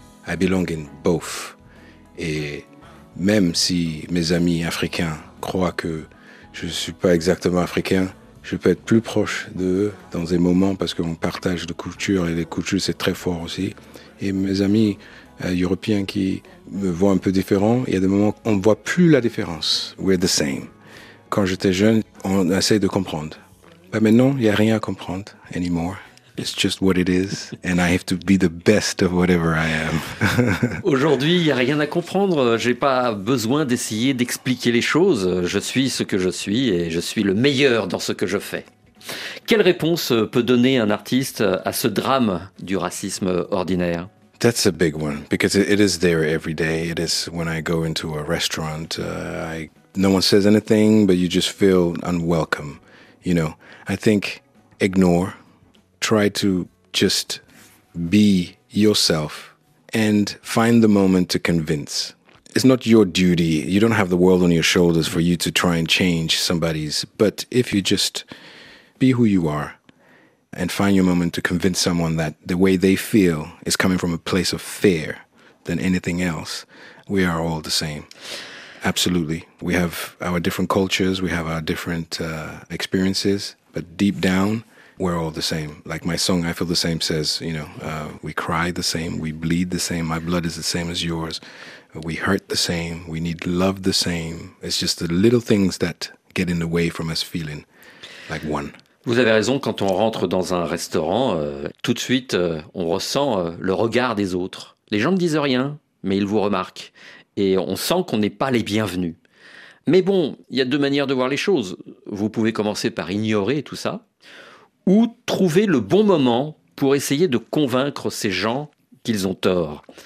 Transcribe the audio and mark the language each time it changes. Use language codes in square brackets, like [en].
[en] I belong in both. [fr] Et même si mes amis africains croient que je ne suis pas exactement africain, je peux être plus proche d'eux dans des moments parce qu'on partage de culture et les cultures, c'est très fort aussi. Et mes amis européens qui me voient un peu différent, il y a des moments où on ne voit plus la différence. [en] We're the same. [fr] Quand j'étais jeune, on essaye de comprendre. Mais maintenant, il n'y a rien à comprendre anymore. [en] It's just what it is, and I have to be the best of whatever I am. [fr] Aujourd'hui, il n'y a rien à comprendre. Je n'ai pas besoin d'essayer d'expliquer les choses. Je suis ce que je suis et je suis le meilleur dans ce que je fais. Quelle réponse peut donner un artiste à ce drame du racisme ordinaire? [en] That's a big one, because it is there every day. It is when I go into a restaurant. No one says anything, but you just feel unwelcome. You know, I think ignore. Try to just be yourself and find the moment to convince. It's not your duty. You don't have the world on your shoulders for you to try and change somebody's. But if you just be who you are and find your moment to convince someone that the way they feel is coming from a place of fear than anything else, we are all the same. Absolutely. We have our different cultures. We have our different experiences. But deep down, we're all the same. Like my song, I Feel the Same, says, you know, we cry the same. We bleed the same. My blood is the same as yours. We hurt the same. We need love the same. It's just the little things that get in the way from us feeling like one. [fr] Vous avez raison, quand on rentre dans un restaurant, tout de suite, on ressent le regard des autres. Les gens ne disent rien, mais ils vous remarquent. Et on sent qu'on n'est pas les bienvenus. Mais bon, il y a deux manières de voir les choses. Vous pouvez commencer par ignorer tout ça, ou trouver le bon moment pour essayer de convaincre ces gens qu'ils ont tort.